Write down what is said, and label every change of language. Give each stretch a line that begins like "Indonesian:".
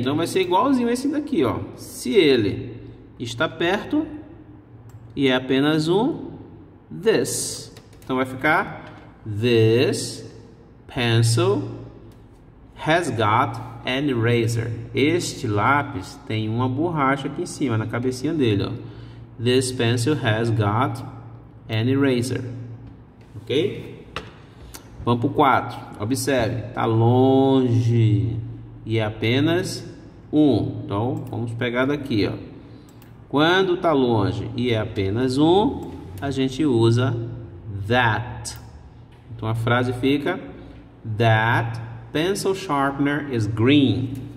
Portuguese: Então vai ser igualzinho esse daqui, ó. Se ele está perto e é apenas um, this. Então vai ficar
English: this pencil has got an eraser.
Portuguese: Este lápis tem uma borracha aqui em cima, na cabecinha dele, ó.
English: This pencil has got an eraser.
Portuguese: Ok? Vamos para o 4. Observe, está longe e é apenas um. Então, vamos pegar daqui, ó. Quando está longe e é apenas um, a gente usa that. Então, a frase fica:
English: That pencil sharpener is green.